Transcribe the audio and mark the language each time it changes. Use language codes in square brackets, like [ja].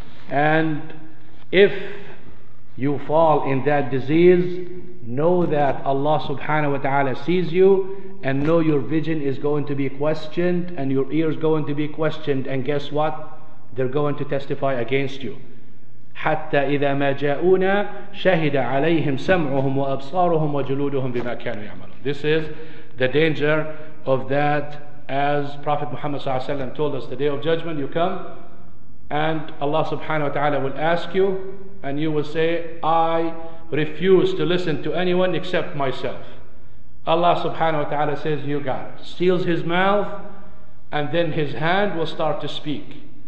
[en] And if you fall in that disease, know that Allah subhanahu wa ta'ala sees you, and know your vision is going to be questioned and your ears going to be questioned. And guess what? They're going to testify against you. [ar] حتى إذا ما جاءونا شهد عليهم سمعهم وأبصارهم وجلودهم بما كانوا يعملون. [en] This is the danger of that. As Prophet Muhammad sallallahu alaihi wasallam told us, the day of judgment, you come and Allah subhanahu wa ta'ala will ask you, and you will say, I refuse to listen to anyone except myself. Allah subhanahu wa ta'ala says, you got it. Seals his mouth, and then his hand will start to speak.